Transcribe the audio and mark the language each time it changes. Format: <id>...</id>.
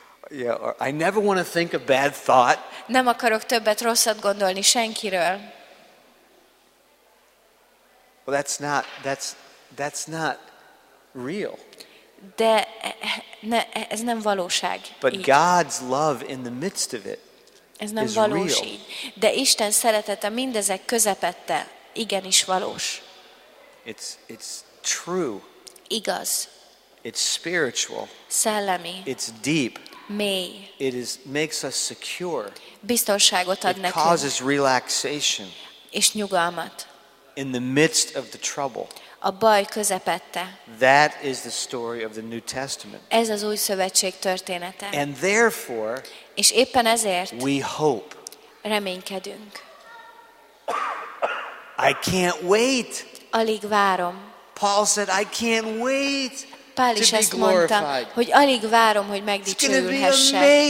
<en>Yeah, or I never want to think a bad thought.</en> <hu>Nem akarok többet rosszat gondolni senkiről.</hu> <en>Well, that's not real.</en> <hu>De ez nem valóság.</hu> <en>But</en> <hu>így.</hu> <en>God's love in the midst of it.</en> <hu>Ez nem valós. De Isten szeretete mindezek közepette igenis valós.</hu> <en>It's true.</en> <hu>Igaz.</hu> <en>It's spiritual.</en> <hu>Szellemi.</hu> <en>It's deep.</en> <hu>Mély.</hu> <en>It is makes us secure.</en> <hu>Biztonságot ad</hu> <en>it</en> <hu>nekünk.</hu> <en>Causes relaxation.</en> <hu>És nyugalmat.</hu> <en>In the midst of the trouble.</en> <hu>A baj közepette.</hu> <en>That is the story of the New Testament.</en> <hu>Ez az Új Szövetség története.</hu> <en>And therefore.</en> <hu>És éppen ezért.</hu> <en>We hope.</en> <hu>Reménykedünk.</hu> <en>I can't wait.</en> <hu>Alig várom.</hu> <en>Paul said, I can't wait.</en> <hu>Pál is ezt mondta, hogy alig várom, hogy megdicsőülhessek.</hu>